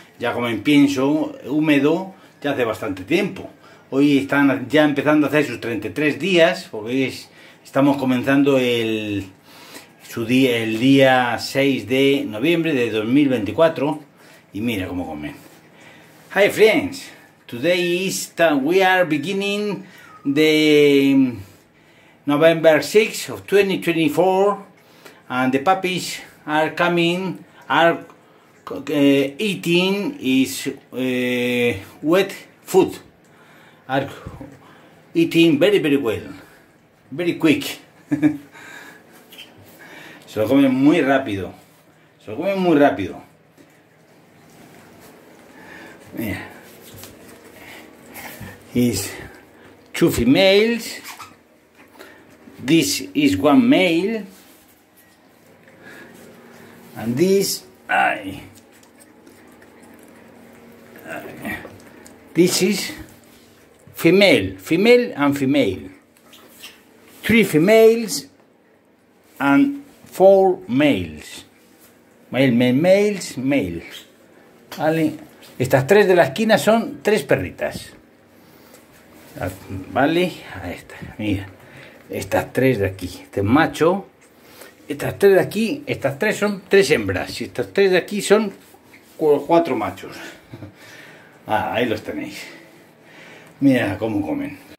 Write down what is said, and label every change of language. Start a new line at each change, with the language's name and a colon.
Spanish: Ya comen pienso húmedo ya hace bastante tiempo. Hoy están ya empezando a hacer sus 33 días, porque hoy estamos comenzando el día 6 de noviembre de 2024. Y mira cómo comen.
English: Hi friends, today is we are beginning the November 6 of 2024. And the puppies are coming, are eating is wet food, are eating very very well, very quick.
Spanish: Se lo comen muy rápido, se lo comen muy rápido.
English: Mira, is two females. This is one male. And this, this is female and female, three females and four males, male, vale.
Spanish: Estas tres de la esquina son tres perritas, vale, ahí está, mira, estas tres de aquí, este macho. Estas tres de aquí, estas tres son tres hembras. Y estas tres de aquí son cuatro machos. Ah, ahí los tenéis. Mira cómo comen.